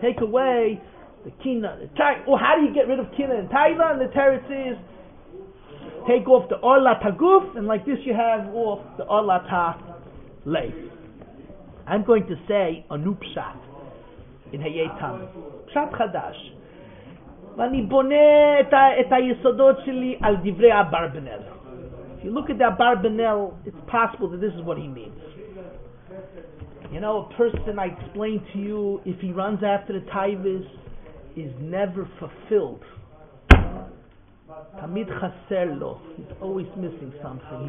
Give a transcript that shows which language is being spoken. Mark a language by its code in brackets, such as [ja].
[en] Take away the Kina. How do you get rid of Kina and Taila? And the Teretz is take off the Arla Taguf, and like this, you have off the Arla Talev. I'm going to say a new Pshat in Hayetam. [he] Pshat Chadash. ואני בונה את היסודות שלי על דברי אברבנל. [en] If you look at that Barbanel, it's possible that this is what he means. You know, a person, I explained to you, if he runs after the taivis, is never fulfilled. [he] Tamid chaser lo. [en] He's always missing something.